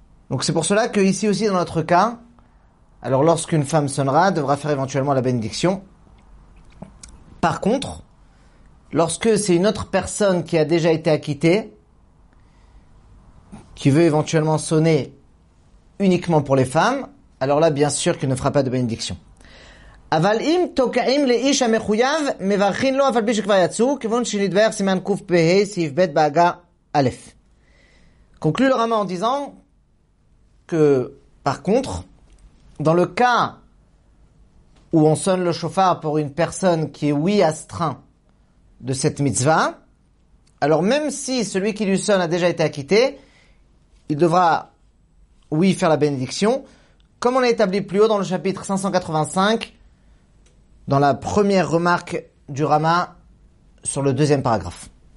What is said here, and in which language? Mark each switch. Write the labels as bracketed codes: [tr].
[fr] Donc c'est pour cela que ici aussi, dans notre cas, alors lorsqu'une femme sonnera, devra faire éventuellement la bénédiction. Par contre, lorsque c'est une autre personne qui a déjà été acquittée, qui veut éventuellement sonner uniquement pour les femmes, alors là, bien sûr qu'elle ne fera pas de bénédiction. [he] אבל אם תוקעים לאיש המחויב, מברכין לו אף על פי שכבר יצאו, כיוון שנדבר סימן קוף פה, סעיף ב' בהגה א'. [fr] Conclut le Rama en disant que, par contre, dans le cas où on sonne le shofar pour une personne qui est oui astreint de cette mitzvah, alors même si celui qui lui sonne a déjà été acquitté, il devra, oui, faire la bénédiction, comme on l'a établi plus haut dans le chapitre 585, dans la première remarque du Rama sur le deuxième paragraphe.